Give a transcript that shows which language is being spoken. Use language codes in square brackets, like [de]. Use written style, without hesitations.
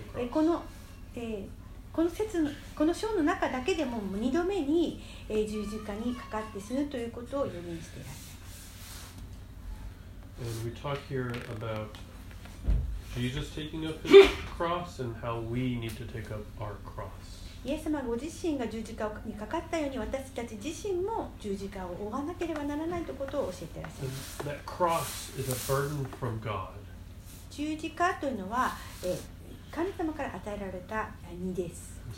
[ja] この節のこの章の中だけでも2度目に、十字架にかかって死ぬということを予言しています。 [en] And we talk here about Jesus taking up his cross and how we need to take up our cross. [ja] イエス様ご自身が十字架にかかったように私たち自身も十字架を負わなければならないということを教えていらっしゃいます。 [en] That cross is a burden from God. [ja] 十字架というのは、神様から与えられた荷です。